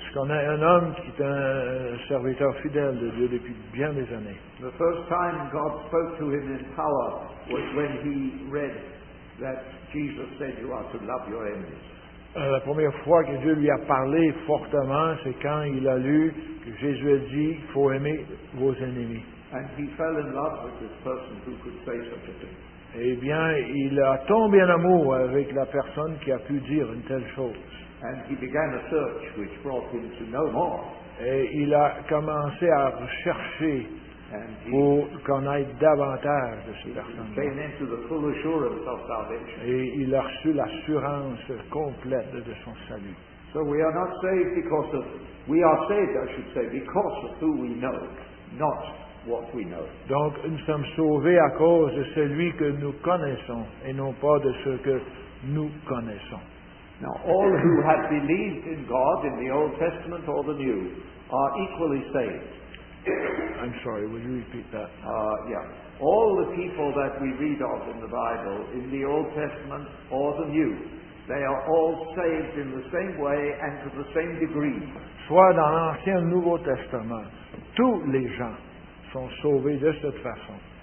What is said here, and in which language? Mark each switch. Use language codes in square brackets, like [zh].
[fr] Je connais un homme qui est un serviteur fidèle de Dieu depuis bien des années. [en] The first time God spoke to him in power was when he read that Jesus said you are to love your enemies. [fr] La première fois que Dieu lui a parlé fortement, c'est quand il a lu que Jésus a dit qu'il faut aimer vos ennemis. [en] And he fell in love with this person who could say such a thing. [fr] Eh bien, il a tombé en amour avec la personne qui a pu dire une telle chose. [en] And he began a search which brought him to know more. [fr] Et il a commencé à rechercher pour connaître davantage de ces personnes-là. Et il a reçu l'assurance complète de son salut. [en] So we are not saved because of, we are saved, I should say, because of who we know, not what we know. [fr] Donc nous sommes sauvés à cause de celui que nous connaissons et non pas de ce que nous connaissons. [en] Now all who have believed in God in the Old Testament or the New are equally saved. I'm sorry, will you repeat that? All the people that we read of in the Bible, in the Old Testament or the New, they are all saved in the same way and to the same degree. [fr] Soit dans l'Ancien ou Nouveau Testament, tous les gens sont sauvés de cette façon.